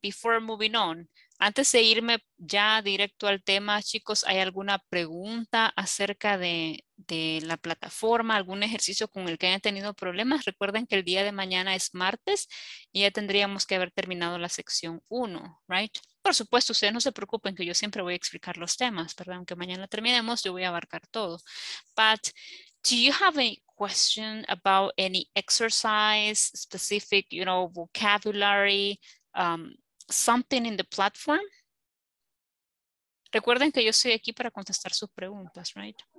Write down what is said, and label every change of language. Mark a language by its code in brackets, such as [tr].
[en] Before moving on, [es] antes de irme ya directo al tema, chicos, ¿hay alguna pregunta acerca de la plataforma, algún ejercicio con el que hayan tenido problemas? Recuerden que el día de mañana es martes y ya tendríamos que haber terminado la sección 1, right? Por supuesto, ustedes no se preocupen que yo siempre voy a explicar los temas, ¿verdad? Aunque mañana terminemos, yo voy a abarcar todo. [en] But, do you have a question about any exercise, specific, you know, vocabulary, something in the platform? [es] Recuerden que yo estoy aquí para contestar sus preguntas, right?